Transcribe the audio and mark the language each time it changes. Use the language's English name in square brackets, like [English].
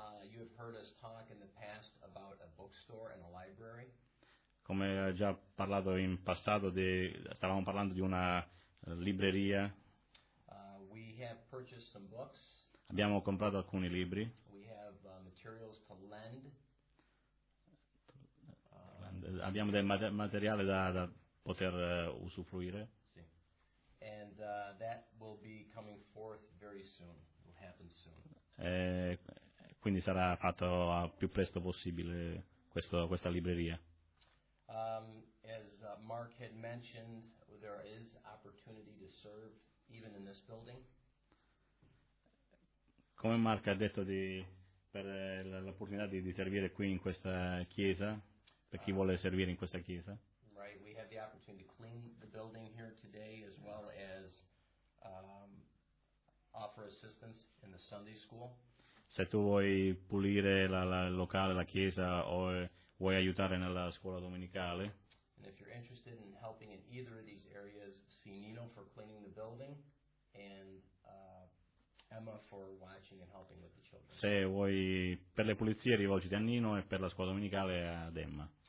[English] You have heard us talk in the past about a bookstore and a library. [Italian] Come già parlato in passato, stavamo parlando di una libreria. [English] We have purchased some books. [Italian] Abbiamo comprato alcuni libri. [English] We have materials to lend. [Italian] Abbiamo del materiale da poter usufruire. Sì. [English] And that will be coming forth very soon. It will happen soon. [Italian] Quindi sarà fatto al più presto possibile questa libreria. [English] As Mark had mentioned, there is opportunity to serve even in this building. [Italian] Come Mark ha detto per l'opportunità di servire qui in questa chiesa, per chi vuole servire in questa chiesa. [English] Right, we have the opportunity to clean the building here today as well as offer assistance in the Sunday school. [Italian] Se tu vuoi pulire la locale, la chiesa, o vuoi aiutare nella scuola domenicale. [English] And if you're interested in helping in either of these areas, see Nino for cleaning the building and Emma for watching and helping with the children. [Italian] Se vuoi per le pulizie rivolgiti a Nino e per la scuola domenicale ad Emma.